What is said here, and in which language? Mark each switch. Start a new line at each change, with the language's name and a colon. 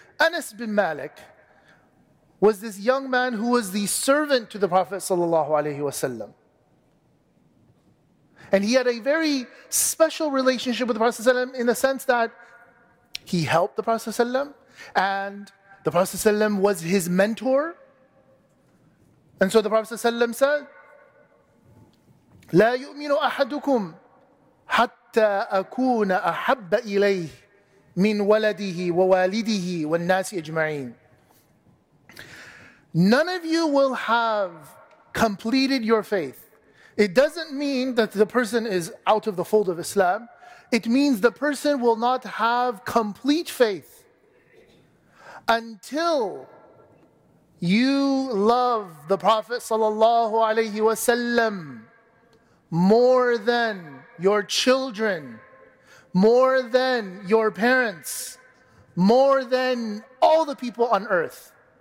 English: Anas bin Malik was this young man who was the servant to the Prophet sallallahu alaihi wasallam. And he had a very special relationship with the Prophet sallallahu alaihi wasallam in the sense that he helped the Prophet sallallahu alaihi wasallam and the Prophet sallallahu alaihi wasallam was his mentor. And so the Prophet sallallahu alaihi wasallam said,
Arabic: لا يؤمن أحدكم حتى أكون أحب إليه من ولده ووالده والناس أجمعين.
English: None of you will have completed your faith. It doesn't mean that the person is out of the fold of Islam. It means the person will not have complete faith until you love the Prophet sallallahu alaihi wasallam more than your children, more than your parents, more than all the people on earth.